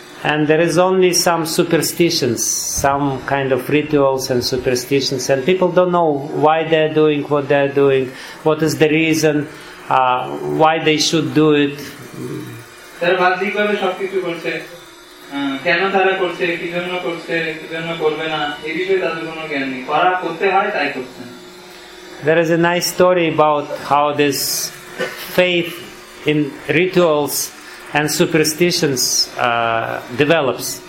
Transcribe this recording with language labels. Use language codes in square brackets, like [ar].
[en] And there is only some superstitions, some kind of rituals and superstitions, and people don't know why they're doing what they're doing, what is the reason, why they should do it. [bn] তারা বাহ্যিক ভাবে সবকিছু করছে, কেন তারা করছে, কি জন্য করছে, কি জন্য করবে না, এই বিষয়ে তাদের কোনো জ্ঞান নেই, করা করতে হয় তাই করছে. [en] There is a nice story about how this faith in rituals and superstitions develops.